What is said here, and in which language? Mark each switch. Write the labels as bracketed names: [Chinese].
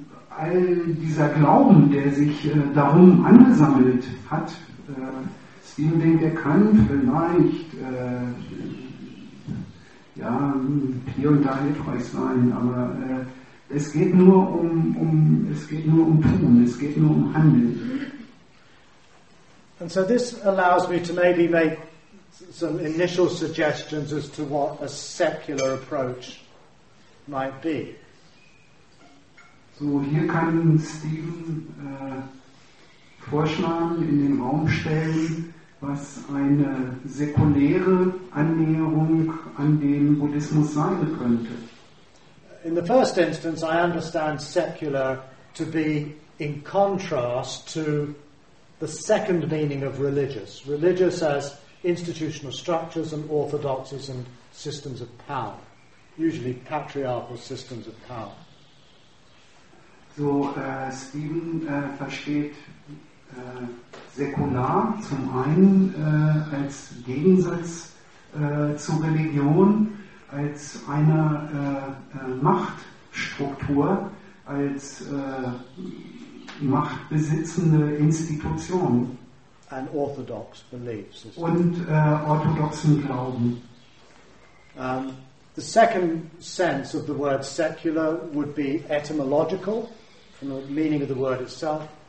[German] All dieser Glauben, der sich darum angesammelt hat, Stephen denkt, er kann vielleicht ja, hier und da hilfreich sein, aber es geht nur es geht nur um Tun, es geht nur um Handeln. [English] And so this allows me to maybe make some initial suggestions as to what a secular approach might be. [German] So, hier kann Stephen Vorschlagen in den Raum stellen, was eine säkuläre Annäherung an den Buddhismus sein könnte. [English] In the first instance, I understand secular to be in contrast to the second meaning of religious. Religious as institutional structures and orthodoxies and systems of power, usually patriarchal systems of power. [German] So, Stephen versteht säkular zum einen als Gegensatz zur Religion, als eine Machtstruktur, als machtbesitzende Institution [English] and orthodox beliefs, [German] und orthodoxen Glauben. [English] The second sense of the word secular would be etymological, from the meaning of the word itself.